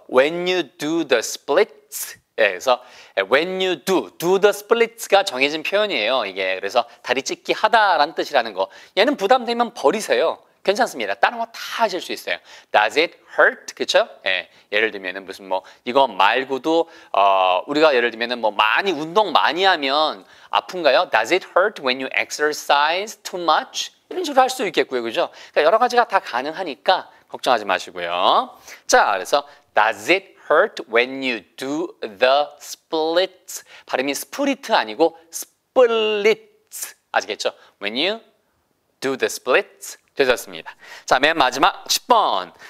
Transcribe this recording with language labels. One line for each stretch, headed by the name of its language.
English: When you do the splits. 예, 그래서 when you do the splits가
Korean: 정해진 표현이에요. 이게 그래서 다리 찢기 하다라는 뜻이라는 거. 얘는 부담되면 버리세요. 괜찮습니다. 다른 거 다 하실 수 있어요.
English: Does it hurt?
Korean: 그쵸? 예, 예를 들면은 무슨 뭐 이거 말고도 우리가 예를 들면은 뭐 많이 운동 많이 하면 아픈가요?
English: Does it hurt when you exercise too much?
Korean: 이런 식으로 할 수 있겠고요, 그죠? 그러니까 여러 가지가 다 가능하니까 걱정하지 마시고요.
English: 자, 그래서 Does it hurt when you do the splits?
Korean: 발음이 스프리트 아니고 splits. 아시겠죠?
English: When you do the splits.
Korean: 되셨습니다. 자, 맨 마지막 10번.